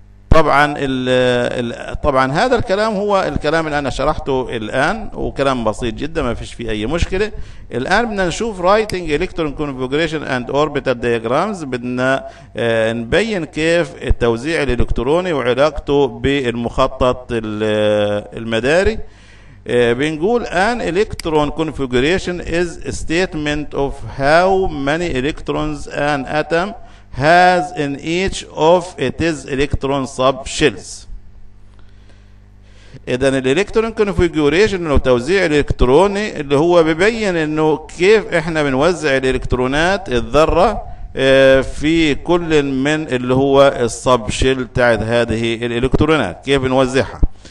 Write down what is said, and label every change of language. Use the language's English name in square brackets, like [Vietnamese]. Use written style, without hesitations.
[Arabic] طبعا طبعا هذا الكلام هو الكلام اللي انا شرحته الان، وكلام بسيط جدا ما فيش فيه اي مشكلة. الان بدنا نشوف [English] writing electron configuration and orbital diagrams, [Arabic] بدنا نبين كيف التوزيع الالكتروني وعلاقته بالمخطط المداري. [English] بنقول an electron configuration is a statement of how many electrons an atom has in each of its electron subshells. [Arabic] إذن الإلكترون كونفيجوريشن أو توزيع الإلكتروني اللي هو بيبين إنه كيف إحنا بنوزع الإلكترونات الذرة في كل من اللي هو الصبشل تاعت هذه الإلكترونات كيف بنوزعها.